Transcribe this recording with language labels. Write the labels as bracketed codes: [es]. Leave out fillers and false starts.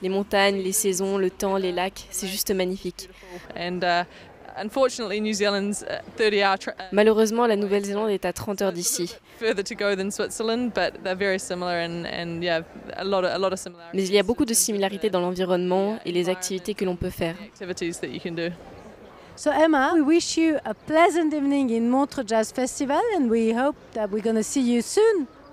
[fr] Les montagnes, les saisons, le temps, les lacs, c'est juste magnifique. [en] And unfortunately, New Zealand's 30-hour trip. [fr] Malheureusement, la Nouvelle-Zélande est à 30 heures d'ici. [en] Further to go than Switzerland, but they're very similar and yeah, a lot of similarities. [fr] Mais il y a beaucoup de similarités dans l'environnement et les activités que l'on peut faire. [en] Activities that you can do. So Emma, we wish you a pleasant evening in Montreux Jazz Festival and we hope that we're going to see you soon.